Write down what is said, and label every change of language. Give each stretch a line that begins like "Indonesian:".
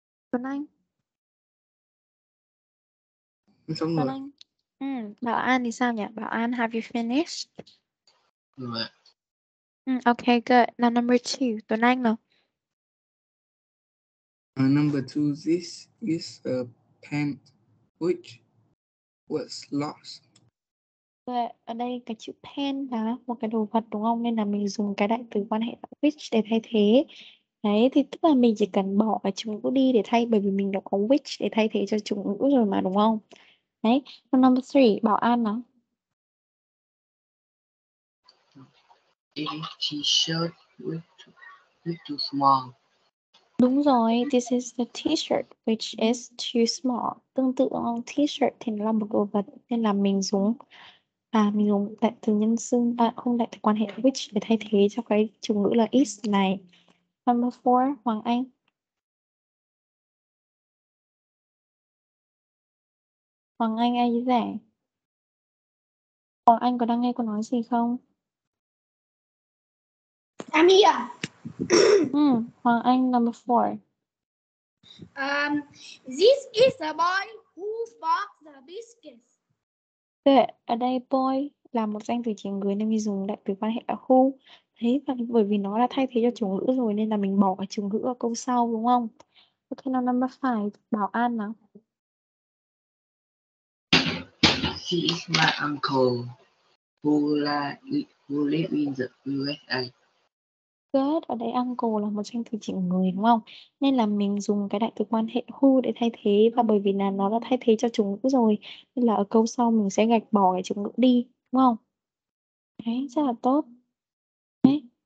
Vietnamese: Tuấn Anh. Xong rồi. Anh. Ừ, Bảo An thì sao nhỉ? Bảo An,
English: have you finished?
Vietnamese: Vâng.
English: Ừ, okay, good. Now number two, Tuấn Anh nào. Number two, this is a pen which was lost.
Vietnamese: Ở đây cái chữ pen là một cái đồ vật đúng không? Nên là mình dùng cái đại từ quan hệ which để thay thế. Đấy, thì tức là mình chỉ cần bỏ cái chủ ngữ đi để thay, bởi vì mình đã có which để thay thế cho chủ ngữ rồi mà đúng không?
English: Đấy, so number three, Bảo An nào. T-shirt too small.
Vietnamese: Đúng rồi,
English: this is the t-shirt which is too small.
Vietnamese: Tương tự không? T-shirt thì nó là một đồ vật nên là mình dùng đại từ nhân xưng, không đại từ quan hệ which để thay thế cho cái chủ ngữ là is này.
English: Number four, Hoàng Anh.
Vietnamese: Hoàng Anh ai dễ? Hoàng Anh có đang nghe cô nói gì không? Sammy à?
English: Hoàng Anh number four. This is a boy who bought the biscuits.
Vietnamese: Ở đây boy là một danh từ chỉ người nên mình dùng đại từ quan hệ là who. Thế và bởi vì nó đã thay thế cho chủ ngữ rồi nên là mình bỏ cái chủ ngữ ở câu sau đúng không?
English: Ok, now number 5, Bảo An nào. He is my uncle who live in the USA.
Vietnamese: Good, ở đây uncle là một danh từ chỉ người đúng không? Nên là mình dùng cái đại từ quan hệ who để thay thế, và bởi vì là nó đã thay thế cho chủ ngữ rồi nên là ở câu sau mình sẽ gạch bỏ cái chủ ngữ đi đúng không? Đấy, rất là tốt. Đấy.